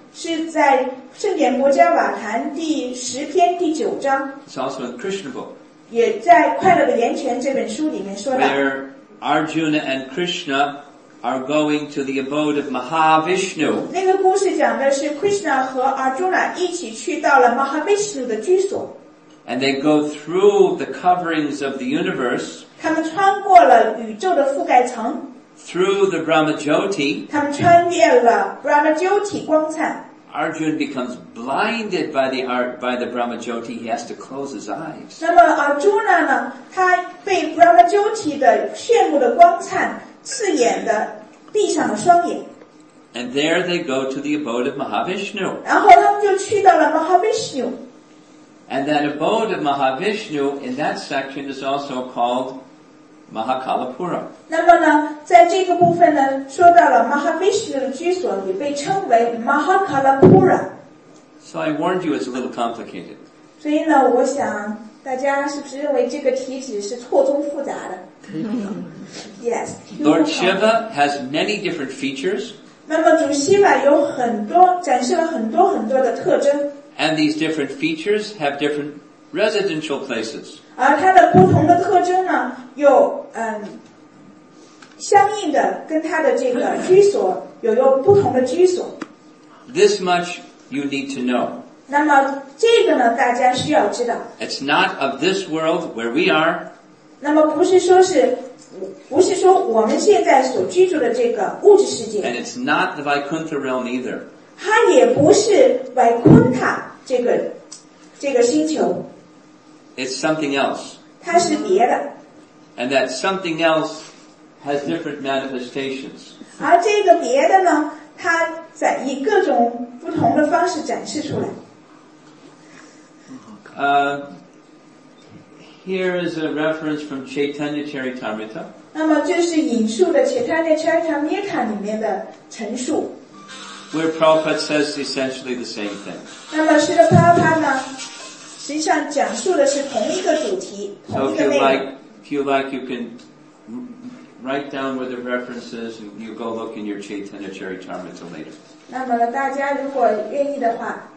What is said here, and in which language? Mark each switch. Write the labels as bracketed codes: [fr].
[zh] 是在圣典摩迦瓦坛第十篇第九章。 [en] It's also in Krishna book. [zh] 也在快乐的源泉这本书里面说到。 [en] Where Arjuna and Krishna are going to the abode of Mahavishnu. [zh] 那个故事讲的是 Krishna 和 Arjuna 一起去到了 Mahavishnu 的居所。 [en] And they go through the coverings of the universe. [zh] 他们穿过了宇宙的覆盖层。 [en] Through the Brahmajyoti. [zh] 他们穿越了 Brahmajyoti 光灿。 [en] Arjuna becomes blinded by the Brahmajyoti. He has to close his eyes. [zh] 那么 Arjuna 呢，他被 Brahmajyoti 的炫目的光灿刺眼的闭上了双眼。 [en] And there they go to the abode of Mahavishnu. [zh] 然后他们就去到了 Mahavishnu. [en] And that abode of Mahavishnu in that section is also called Mahakalapura. [zh] 那么呢，在这个部分呢，说到了 Mahavishnu 的居所也被称为 Mahakalapura. [en] So I warned you it's a little complicated. [zh] 所以呢，我想大家是不是认为这个题旨是错综复杂的？ [en] Yes. Lord Shiva has many different features. [zh] 那么主 Shiva 有很多展示了很多很多的特征。 [en] And these different features have different residential places. [zh] 而它的不同的特征呢，有相应的跟他的这个居所有有不同的居所。 [en] This much you need to know. [zh] 那么这个呢，大家需要知道。 [en] It's not of this world where we are. [zh] 那么不是说是。不是说我们现在所居住的这个物质世界 [en] And it's not the Vaikuntha realm either. [zh] 它也不是 Vaikuntha 这个星球 [en] It's something else. [zh] 它是别的 [en] And that something else has different manifestations. [zh] 而这个别的呢它在以各种不同的方式展示出来 [en] Here is a reference from Chaitanya Charitamrita. [zh] 那么这是引述的 Chaitanya Charitamrita 里面的陈述。 [en] Where Prabhupada says essentially the same thing. [zh] 那么释迦牟尼佛呢，实际上讲述的是同一个主题，同一个内容。 [en] So if you like, you can write down where the reference is, and you go look in your Chaitanya Charitamrita later. [zh] 那么呢，大家如果愿意的话。